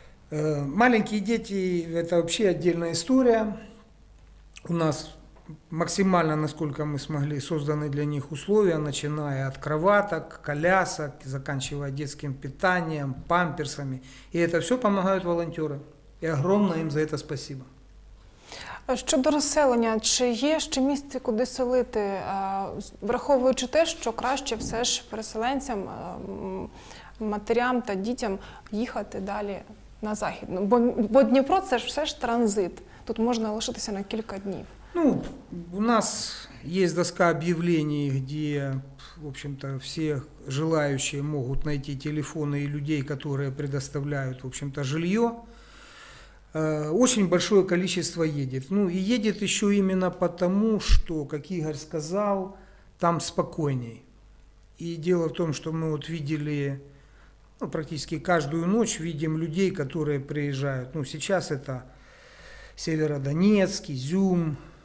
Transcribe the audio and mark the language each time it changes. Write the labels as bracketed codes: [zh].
[ru] Маленькие дети – это вообще отдельная история. У нас... Максимально, насколько мы смогли, созданы для них условия, начиная от кроваток, колясок, заканчивая детским питанием, памперсами. И это все помогают волонтеры. И огромное им за это спасибо. [uk] Щодо розселення, чи є ще місце, куди селити, враховуючи те, що краще все ж переселенцям, матерям та дітям їхати далі на захід? Бо Дніпро це ж все ж транзит. Тут можна лишитися на кілька днів. Ну, у нас є [ru] доска об'явлений, [uk] де, [ru] в общем-то, [uk] всі желаючі можуть знайти телефони і людей, які предоставляють, в общем-то, жильё. [ru] Очень большое количество едет. Ну и едет еще именно потому, что, как Игорь сказал, там спокойней. И дело в том, что мы вот видели, ну, практически каждую ночь видим людей, которые приезжают. Ну сейчас это Северодонецк, Изюм.